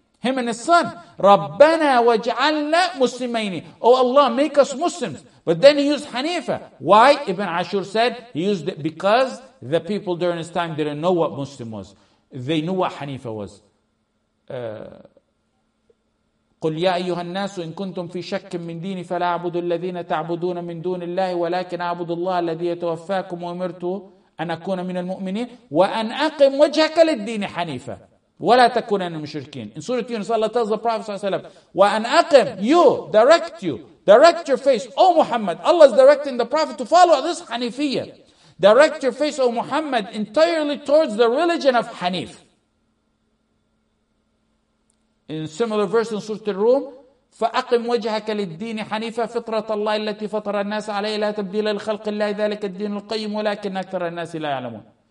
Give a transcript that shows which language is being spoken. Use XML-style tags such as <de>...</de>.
<en>Him and his son.</en> <ar>رَبَّنَا وَجْعَلْنَا مُسْلِمَيْنِ.</ar> <en>Oh Allah, make us Muslims. But then he used Hanifa. Why? Ibn Ashur said he used it because the people during his time didn't know what Muslim was. They knew what Hanifa was.</en> <ar>قُلْ يَا أَيُّهَا النَّاسُ إِن كُنْتُمْ فِي شَكٍّ مِّن دِينِ فَلَا أَعْبُدُ الَّذِينَ تَعْبُدُونَ مِّن دُونِ اللَّهِ وَلَكِنْ أَعْبُدُ اللَّهَ الَّذِي يَتَوَفَّاكُمْ وَأُمِرْتُ أن أكون من المؤمنين وأن أقم وجهك للدين حنيفة ولا تكون من المشركين.</ar> <en>In Surah Yunus, Allah tells the Prophet</en> <ar>صلى الله عليه وسلم, وأن أقم,</ar> <en>you, direct your face, O Muhammad. Allah is directing the Prophet to follow this حنيفية. Direct your face, O Muhammad, entirely towards the religion of حنيف. In similar verse in Surah Al-Rum,</en> <ar>فَأَقِمْ وَجْهَكَ لِلدِّينِ حَنِيفًا فِطْرَةَ اللَّهِ الَّتِي فَطَرَ النَّاسَ عَلَيْهِ لَا تَبْدِيلَ لِخَلْقِ اللَّهِ ذَلِكَ الدِّينُ الْقَيِّمُ وَلَكِنَّ أَكْثَرَ النَّاسِ لَا يَعْلَمُونَ.</ar>